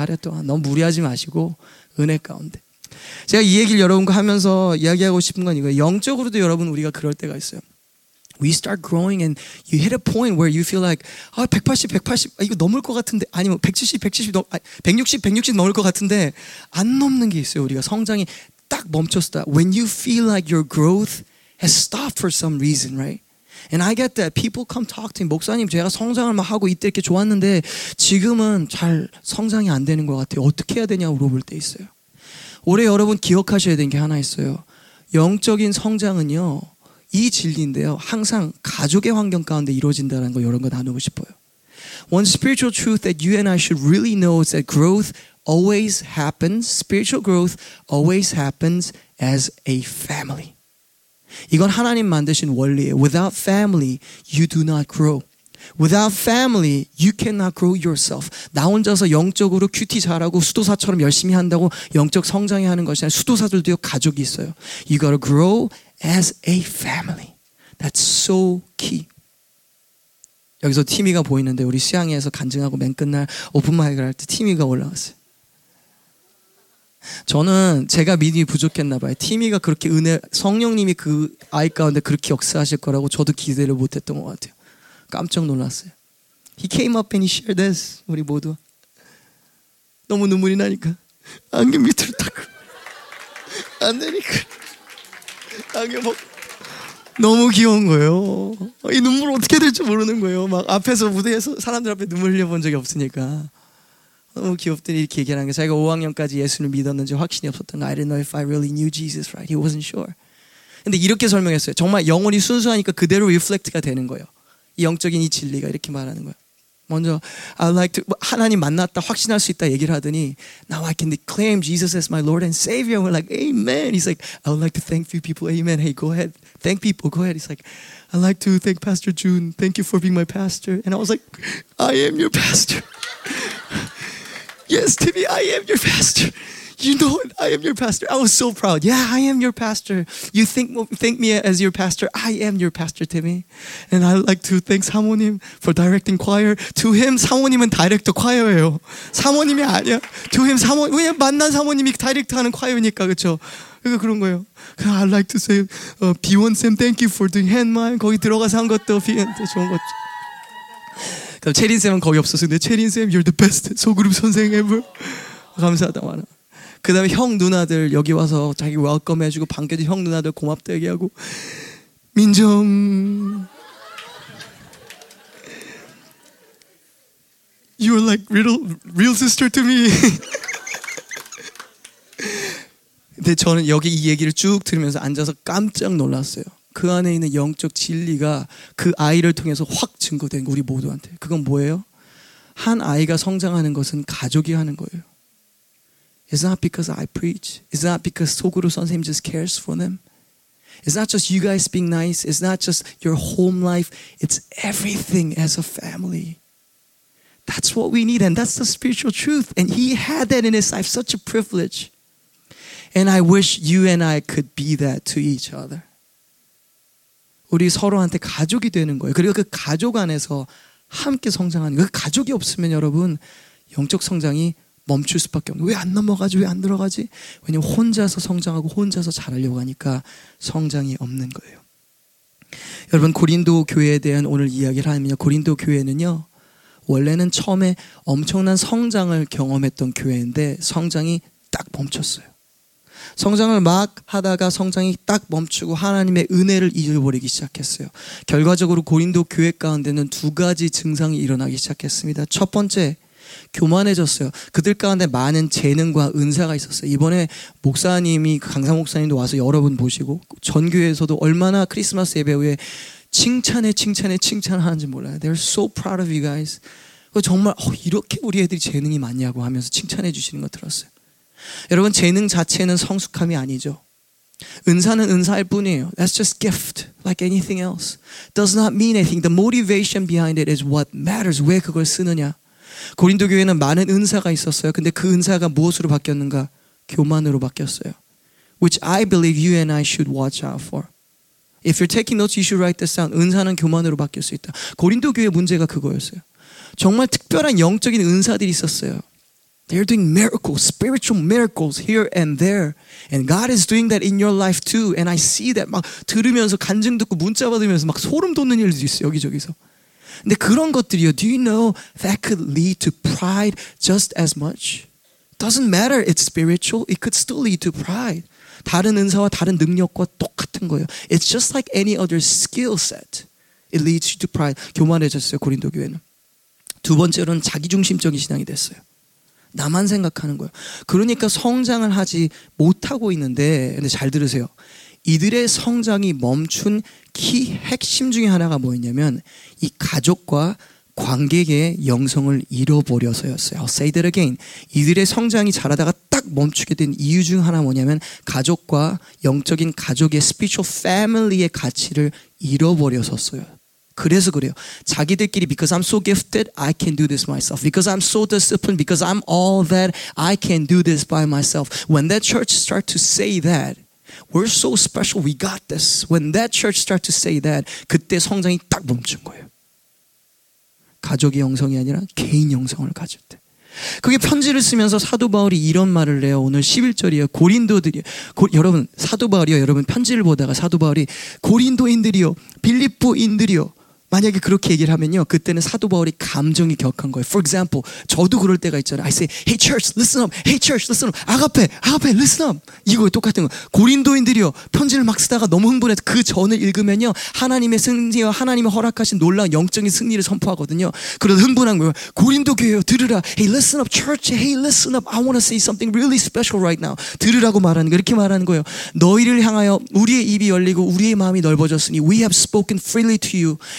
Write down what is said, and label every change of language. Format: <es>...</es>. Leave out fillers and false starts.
<ko>하루 동안 너무 무리하지 마시고 은혜 가운데. 제가 이 얘기를 여러분과 하면서 이야기하고 싶은 건 이거예요. 영적으로도 여러분 우리가 그럴 때가 있어요.</ko> <en>We start growing and you hit a point where you feel like</en> <ko>아, 180, 180 아, 이거 넘을 것 같은데 아니면 170, 170 넘, 아, 160, 160 넘을 것 같은데 안 넘는 게 있어요. 우리가 성장이 딱 멈췄다.</ko> <en>When you feel like your growth has stopped for some reason, right? And I get that. People come talk to me.</en> <ko>목사님, 제가 성장을 막 하고 이때 이렇게 좋았는데 지금은 잘 성장이 안 되는 것 같아요. 어떻게 해야 되냐고 물어볼 때 있어요. 올해 여러분 기억하셔야 되는 게 하나 있어요. 영적인 성장은요. 이 진리인데요. 항상 가족의 환경 가운데 이루어진다는 거 이런 거 나누고 싶어요.</ko> <en>One spiritual truth that you and I should really know is that growth always happens. Spiritual growth always happens as a family.</en> <ko>이건 하나님 만드신 원리예요.</ko> <en>Without family, you do not grow. Without family, you cannot grow yourself.</en> <ko>나 혼자서 영적으로 큐티 잘하고 수도사처럼 열심히 한다고 영적 성장이 하는 것이 아니라 수도사들도 가족이 있어요.</ko> <en>You gotta grow as a family. That's so key.</en> <ko>여기서 티미가 보이는데 우리 수양회에서 간증하고 맨 끝날 오픈마이크를 할 때 티미가 올라왔어요. 저는 제가 믿음이 부족했나 봐요. 티미가 그렇게 은혜, 성령님이 그 아이 가운데 그렇게 역사하실 거라고 저도 기대를 못했던 것 같아요. 깜짝 놀랐어요.</ko> <en>He came up and he shared this,</en> <ko>우리 모두. 너무 눈물이 나니까. 안경 밑으로 딱. 안 되니까. 안경 벗고. 너무 귀여운 거예요. 이 눈물 어떻게 될지 모르는 거예요. 막 앞에서 무대에서 사람들 앞에 눈물 흘려본 적이 없으니까. 너무 귀엽더니 이렇게 얘기하는 게 자기가 5학년까지 예수를 믿었는지 확신이 없었던 거.</ko> <en>I didn't know if I really knew Jesus right. He wasn't sure.</en> <ko>근데 이렇게 설명했어요. 정말 영혼이 순수하니까 그대로 리플렉트가 되는 거예요. 이 영적인 이 진리가 이렇게 말하는 거예요. 먼저</ko> <en>I'd like to</en> <ko>하나님 만났다 확신할 수 있다 얘기를 하더니</ko> <en>Now I can claim Jesus as my Lord and Savior. We're like, Amen. He's like, I would like to thank few people. Amen. Hey, go ahead. Thank people. Go ahead. He's like, I'd like to thank Pastor Jun. Thank you for being my pastor. And I was like, I am your pastor. Yes, Timmy, I am your pastor. You know it. I am your pastor. I was so proud. Yeah, I am your pastor. You thank me as your pastor. I am your pastor, Timmy. And I'd like to thank 사모님 for directing choir.</en> <ko>To him, 사모님은 다이렉터 choir예요. 사모님이 아니야.</ko> <en>To him,</en> <ko>사모님. 왜냐면 만난 사모님이 다이렉터 하는 choir니까, 그쵸? 그러니까 그런 거예요.</ko> <en>I'd like to say,</en> <ko>B1쌤,</ko> <en>thank you for doing handmine.</en> <ko>거기 들어가서 한 것도 B1한테 좋은 것. 그럼 체린쌤은 거기 없었어요. 근데 체린쌤,</ko> <en>you're the best</en> <ko>소그룹 선생 ever. 감사하다, 많아. 그 다음에 형 누나들 여기 와서 자기 웰컴 해주고 반겨도 형 누나들 고맙다 얘기하고 민정</ko> <en>You are like real sister to me</en> <ko>근데 저는 여기 이 얘기를 쭉 들으면서 앉아서 깜짝 놀랐어요 그 안에 있는 영적 진리가 그 아이를 통해서 확 증거된 우리 모두한테 그건 뭐예요? 한 아이가 성장하는 것은 가족이 하는 거예요</ko> <en>It's not because I preach. It's not because</en> <ko>소그룹 선생님</ko> <en>just cares for them. It's not just you guys being nice. It's not just your home life. It's everything as a family. That's what we need. And that's the spiritual truth. And he had that in his life. Such a privilege. And I wish you and I could be that to each other.</en> <ko>우리 서로한테 가족이 되는 거예요. 그리고 그 가족 안에서 함께 성장하는 거예요. 그 가족이 없으면 여러분 영적 성장이 멈출 수밖에 없는 왜 안 넘어가지 왜 안 들어가지 왜냐면 혼자서 성장하고 혼자서 잘하려고 하니까 성장이 없는 거예요 여러분 고린도 교회에 대한 오늘 이야기를 하면요 고린도 교회는요 원래는 처음에 엄청난 성장을 경험했던 교회인데 성장이 딱 멈췄어요 성장을 막 하다가 성장이 딱 멈추고 하나님의 은혜를 잊어버리기 시작했어요 결과적으로 고린도 교회 가운데는 두 가지 증상이 일어나기 시작했습니다 첫 번째 교만해졌어요. 그들 가운데 많은 재능과 은사가 있었어요. 이번에 목사님이 강사 목사님도 와서 여러분 보시고 전교회에서도 얼마나 크리스마스 예배 후에 칭찬해 칭찬해 칭찬하는지 몰라요.</ko> <en>They're so proud of you guys.</en> <ko>정말 이렇게 우리 애들이 재능이 많냐고 하면서 칭찬해 주시는 거 들었어요. 여러분 재능 자체는 성숙함이 아니죠. 은사는 은사일 뿐이에요.</ko> <en>That's just gift, like anything else. Does not mean anything. The motivation behind it is what matters.</en> <ko>왜 그걸 쓰느냐? 고린도 교회는 많은 은사가 있었어요. 근데 그 은사가 무엇으로 바뀌었는가? 교만으로 바뀌었어요.</ko> <en>Which I believe you and I should watch out for. If you're taking notes, you should write this down.</en> <ko>은사는 교만으로 바뀔 수 있다. 고린도 교회의 문제가 그거였어요. 정말 특별한 영적인 은사들이 있었어요.</ko> <en>They're doing miracles, spiritual miracles here and there. And God is doing that in your life too. And I see that</en> <ko>막 들으면서 간증 듣고 문자 받으면서 막 소름 돋는 일도 있어요. 여기저기서. 근데 그런 것들이요.</ko> <en>Do you know that could lead to pride just as much? Doesn't matter. It's spiritual. It could still lead to pride.</en> <ko>다른 은사와 다른 능력과 똑같은 거예요.</ko> <en>It's just like any other skill set. It leads you to pride.</en> <ko>교만해졌어요. 고린도 교회는. 두 번째로는 자기중심적인 신앙이 됐어요. 나만 생각하는 거예요. 그러니까 성장을 하지 못하고 있는데 근데 잘 들으세요. 이들의 성장이 멈춘 키 핵심 중에 하나가 뭐였냐면 이 가족과 관객의 영성을 잃어버려서였어요. I'll say that again. 이들의 성장이 자라다가 딱 멈추게 된 이유 중 하나 뭐냐면 가족과 영적인 가족의</ko> <en>spiritual family</en> <ko>의 가치를 잃어버려서였어요. 그래서 그래요.</ko> <en>자기들끼리 because I'm so gifted, I can do this myself. Because I'm so disciplined, because I'm all that, I can do this by myself. When that church start to say that, We're so special. We got this. When that church start to say that,</en> <ko>그때 성장이 딱 멈춘 거예요. 가족의 영성이 아니라 개인 영성을 가질 때. 그게 편지를 쓰면서 사도 바울이 이런 말을 해요. 오늘 11절이에요. 고린도들이요. 여러분, 사도 바울이요. 여러분 편지를 보다가 사도 바울이 고린도인들이요. 빌립보인들이요. 만약에 그렇게 얘기를 하면요, 그때는 사도 바울이 감정이 격한 거예요.</ko> <en>For example,</en> <ko>저도 그럴 때가 있잖아요.</ko> <en>I say, hey church, listen up. Hey church, listen up.</en> <ko>아가페, 아가페,</ko> <en>listen up.</en> <ko>이거 똑같은 거. 고린도인들이요, 편지를 막 쓰다가 너무 흥분해서 그 전을 읽으면요, 하나님의 승리와 하나님의 허락하신 놀라운 영적인 승리를 선포하거든요. 그래서 흥분한 거예요. 고린도 교회요, 들으라.</ko> <en>Hey, listen up, church. Hey, listen up. I want to say something really special right now.</en> <ko>들으라고 말하는 거예요. 이렇게 말하는 거예요. 너희를 향하여 우리의 입이 열리고 우리의 마음이 넓어졌으니</ko> <en>we have spoken freely to you.</en>